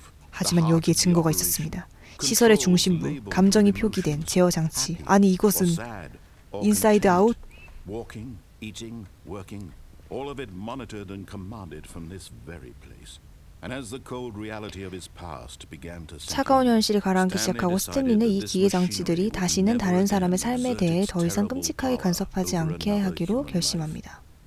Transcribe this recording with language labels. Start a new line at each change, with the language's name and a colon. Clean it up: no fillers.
Korean: 하지만 여기에 증거가 있었습니다. 시설의 중심부, 감정이 표기된 제어 장치. 아니, 이것은 인사이드 아웃?
English: Eating, working, all of it monitored and commanded from this very place. And as the cold reality of his past began to
Korean: 차가운 현실이 가라앉기 시작하고 스탠리는 이 기계 장치들이 다시는 다른 사람의 삶에 대해 더 이상 끔찍하게 간섭하지 않게 하기로 결심합니다.